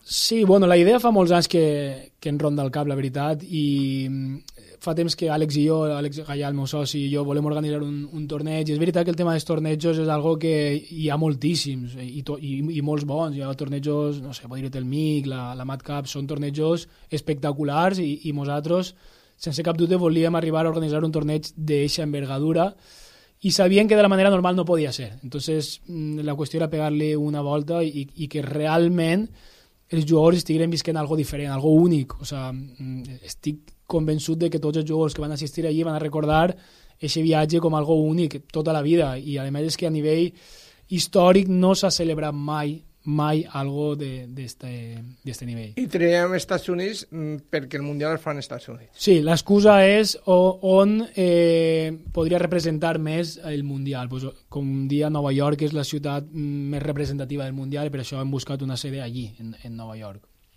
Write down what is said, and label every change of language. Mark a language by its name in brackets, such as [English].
[Catalan] Sí, bueno, la idea fa molts anys que ens ronda el cap, la veritat, i fa temps que Àlex i jo, Àlex Gallà, el meu soci, i jo volem organitzar un torneig, i és veritat que el tema dels tornejos és algo que hi ha moltíssims i molts bons. Hi ha tornejos, no sé, podria dir-te el MIG, la Mad Cup, són tornejos espectaculars i nosaltres, sense cap dubte, volíem arribar a organitzar un torneig d'eixa envergadura. [Spanish] Y sabían que de la manera normal no podía ser. Entonces, la cuestión era pegarle una vuelta y que realmente los jugadores estuvieran viviendo algo diferente, algo único. O sea, estoy convencido de que todos los jugadores que van a asistir allí van a recordar ese viaje como algo único toda la vida. Y además es que a nivel histórico no se ha celebrado mai algo de este nivell. [Catalan] I triem Estats Units perquè el Mundial el fan als Estats Units. Sí, l'excusa és on podria representar més el Mundial. Pues, com un dia, Nova York és la ciutat més representativa del Mundial i per això hem buscat una sede allí, en Nova York.